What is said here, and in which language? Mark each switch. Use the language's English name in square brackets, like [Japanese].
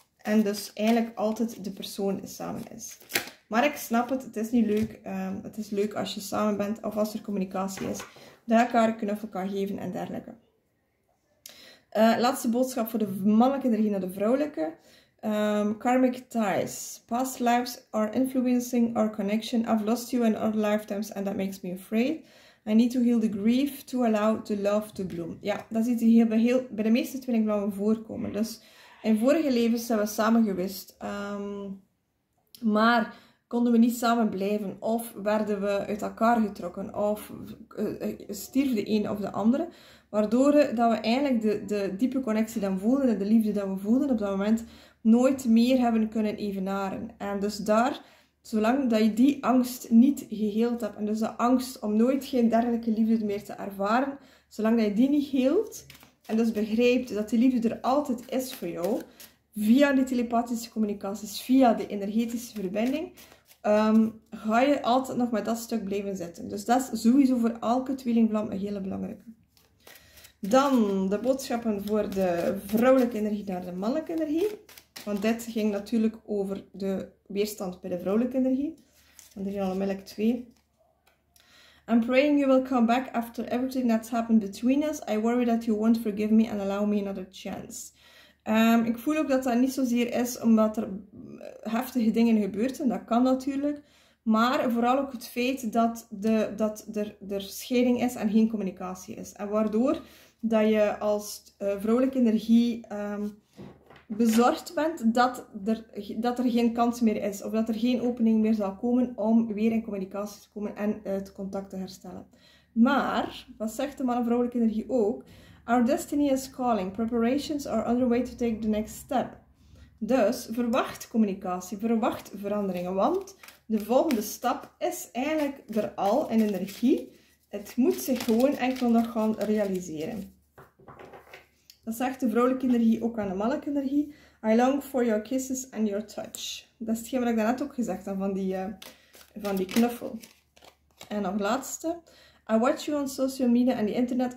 [Dutch] En dus eigenlijk altijd de persoon samen is. Maar ik snap het, het is niet leuk. Het is leuk als je samen bent of als er communicatie is. Dat je elkaar knuffel kan geven en dergelijke. Laatste boodschap voor de mannelijke energie naar de vrouwelijke. [English] Karmic ties. Past lives are influencing our connection. I've lost you in other lifetimes and that makes me afraid. I need to heal the grief to allow the love to bloom. [Dutch] Ja, dat is iets die bij de meeste tweelingvlammen voorkomen. Dus in vorige levens zijn we samen geweest. Maar konden we niet samen blijven? Of werden we uit elkaar getrokken? Of stierf de een of de andere? Waardoor dat we eigenlijk de diepe connectie dan voelden en de liefde dat we voelden op dat moment nooit meer hebben kunnen evenaren. En dus daar, zolang dat je die angst niet geheeld hebt, en dus de angst om nooit geen dergelijke liefde meer te ervaren, zolang dat je die niet heelt, en dus begrijpt dat die liefde er altijd is voor jou, via die telepathische communicaties, via de energetische verbinding, ga je altijd nog met dat stuk blijven zitten. Dus dat is sowieso voor elke tweelingvlam een hele belangrijke. Dan de boodschappen voor de vrouwelijke energie naar de mannelijke energie. Want dit ging natuurlijk over de weerstand bij de vrouwelijke energie. Want er zijn al onmiddellijk twee. [English] I'm praying you will come back after everything that's happened between us. I worry that you won't forgive me and allow me another chance. [Dutch] Ik voel ook dat dat niet zozeer is omdat er heftige dingen gebeurd zijn. Dat kan natuurlijk. Maar vooral ook het feit dat, dat er scheiding is en geen communicatie is. En waardoor dat je als vrouwelijke energie bezorgd bent dat er geen kans meer is. Of dat er geen opening meer zal komen om weer in communicatie te komen en het contact te herstellen. Maar, wat zegt de mannenvrouwelijke energie ook? [English] Our destiny is calling. Preparations are underway to take the next step. [Dutch] Dus verwacht communicatie, verwacht veranderingen. Want de volgende stap is eigenlijk er al in energie. Het moet zich gewoon enkel nog gaan realiseren. Dat zegt de vrouwelijke energie ook aan de mannelijke energie. [English] I long for your kisses and your touch. [Dutch] Dat is hetgeen wat ik daarnet ook gezegd heb van die knuffel. En nog laatste. [English] I watch you on social media and the internet.